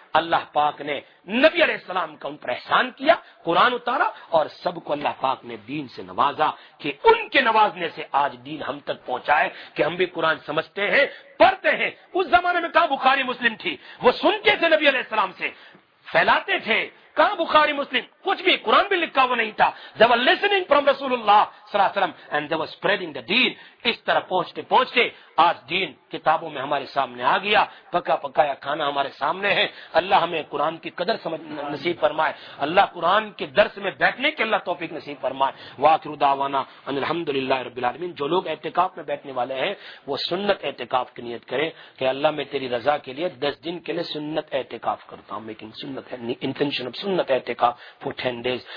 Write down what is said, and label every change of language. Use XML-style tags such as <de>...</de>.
<ur>اللہ پاک نے نبی علیہ السلام کا ان پر احسان کیا، قرآن اتارا اور سب کو اللہ پاک نے دین سے نوازا کہ ان کے نوازنے سے آج دین ہم تک پہنچائے کہ ہم بھی قرآن سمجھتے ہیں، پڑھتے ہیں. اس زمانے میں کہاں بخاری مسلم تھی، وہ سنتے تھے نبی علیہ السلام سے، پھیلاتے تھے، کہاں بخاری مسلم، کچھ بھی قرآن بھی لکھا ہوا نہیں تھا.</ur> <en>They were listening from رسول اللہ صلی اللہ علیہ وسلم and they were spreading the deen.</en> <ur>اس طرح پہنچتے پہنچتے آج دین کتابوں میں ہمارے سامنے آ گیا، پکا پکایا کھانا ہمارے سامنے ہے. اللہ ہمیں قرآن کی قدر سمجھ نصیب فرمائے، اللہ قرآن کے درس میں بیٹھنے کے اللہ توفیق نصیب فرمائے.</ur> <ar>واخر دعوانا ان الحمدللہ رب العالمین.</ar> <ur>جو لوگ اعتکاف میں بیٹھنے والے ہیں وہ سنت اعتکاف کی نیت کریں کہ اللہ میں تیری رضا کے لیے 10 دن کے لیے سنت اعتکاف کرتا ہوں،</ur> <en>Making سنت intention of سنت اعتکاف فور 10 ڈیز.</en>